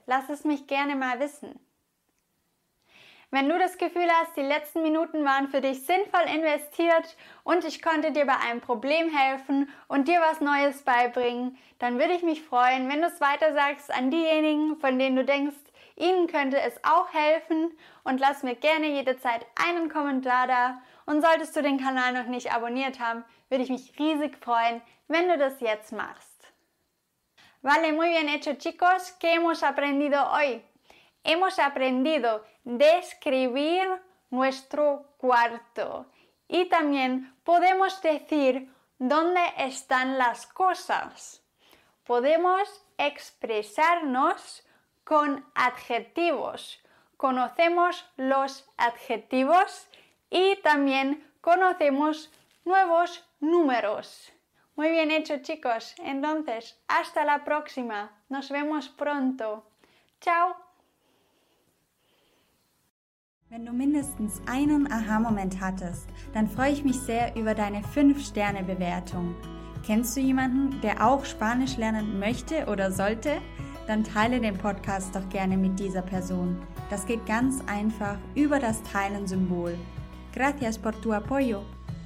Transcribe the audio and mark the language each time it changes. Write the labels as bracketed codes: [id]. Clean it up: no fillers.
[de] Lass es mich gerne mal wissen. Wenn du das Gefühl hast, die letzten Minuten waren für dich sinnvoll investiert und ich konnte dir bei einem Problem helfen und dir was Neues beibringen, dann würde ich mich freuen, wenn du es weitersagst an diejenigen, von denen du denkst, ihnen könnte es auch helfen, und lass mir gerne jederzeit einen Kommentar da. Und solltest du den Kanal noch nicht abonniert haben, würde ich mich riesig freuen, wenn du das jetzt machst. [es] Vale, muy bien hecho, chicos. ¿Qué hemos aprendido hoy? Hemos aprendido describir nuestro cuarto Y también podemos decir dónde están las cosas. Podemos expresarnos con adjetivos. Conocemos los adjetivos y también conocemos nuevos números. Muy bien hecho, chicos. Entonces, hasta la próxima. Nos vemos pronto. ¡Chao! [de] Wenn du mindestens einen Aha-Moment hattest, dann freue ich mich sehr über deine 5-Sterne-Bewertung. Kennst du jemanden, der auch Spanisch lernen möchte oder sollte? Dann teile den Podcast doch gerne mit dieser Person. Das geht ganz einfach über das Teilen-Symbol. [es] Gracias por tu apoyo.